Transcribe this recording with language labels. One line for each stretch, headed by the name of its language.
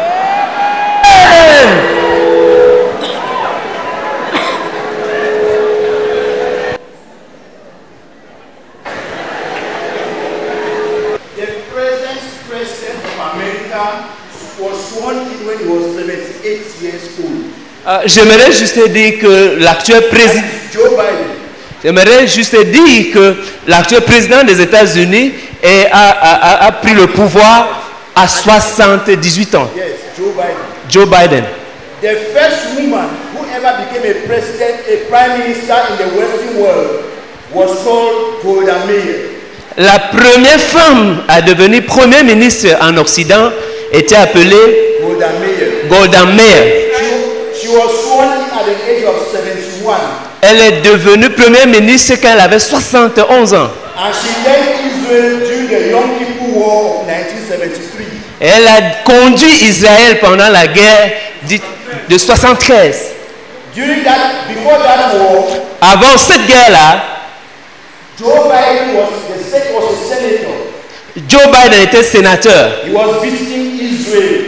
English: The present president of America was sworn in when he was 78 years old.
French: J'aimerais juste dire que l'actuel président. Joe Biden. J'aimerais juste dire que l'actuel président des États-Unis a pris le pouvoir à 78 ans.
English: Yes, Joe Biden. Joe Biden. The first woman who ever became a president, a prime minister in the Western world was called Golda Meir.
French: La première femme à devenir premier ministre en Occident était appelée Golda Meir. Golda Meir.
English: She was sworn in at the age of 71.
French: Elle est devenue premier ministre quand elle avait 71 ans.
English: And she led Israel during the Yom Kippur War of 1973.
French: Elle a conduit Israël pendant la guerre de 73.
English: During that, before that war,
French: avant cette guerre-là, Joe Biden était sénateur.
English: He was visiting Israel.